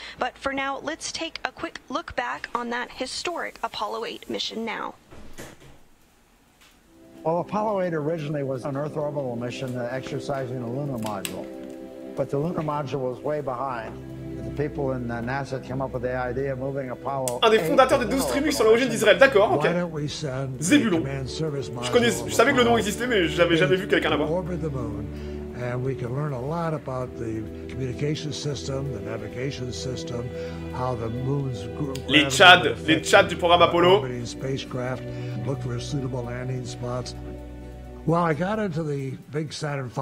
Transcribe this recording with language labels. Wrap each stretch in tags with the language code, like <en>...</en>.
<en>But for now, let's take a quick look back on that historic Apollo 8 mission now. Well, Apollo 8 originally was an Earth orbital mission exercising a lunar module, but the lunar module was way behind. The people in NASA came up with the idea of moving Apollo.</en> <fr>Un des fondateurs des 12 tribus sur l'origine d'Israël, d'accord, ok. Zebulon. Je savais que le nom existait, mais j'avais jamais vu quelqu'un là-bas.</fr> <en>Orbit the moon, and we can learn a lot about the communication system, the navigation system, how the moon's</en> <fr>les Chad du programme Apollo.</fr> <en>Spacecraft, look for suitable landing spots. Well, I got into the big Saturn V.</en>